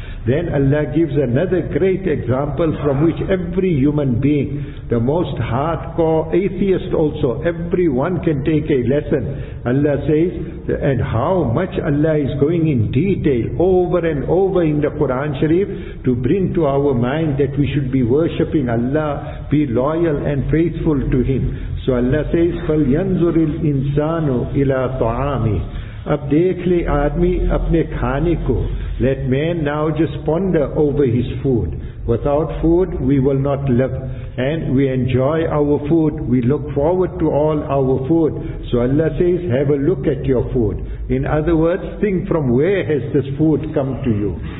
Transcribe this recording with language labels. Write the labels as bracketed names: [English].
[English] Then Allah gives another great example from which every human being, the most hardcore atheist also, everyone can take a lesson. Allah says, and how much Allah is going in detail over and over in the Quran Sharif to bring to our mind that we should be worshipping Allah, be loyal and faithful to Him. So Allah says, [Arabic] فَلْيَنْزُرِ الْإِنسَانُ إِلَىٰ طَعَامِهِ. [Hindi] Ab dekh le aadmi apne khane ko. [English] Let man now just ponder over his food. Without food, we will not live. And we enjoy our food. We look forward to all our food. So Allah says, have a look at your food. In other words, think from where has this food come to you.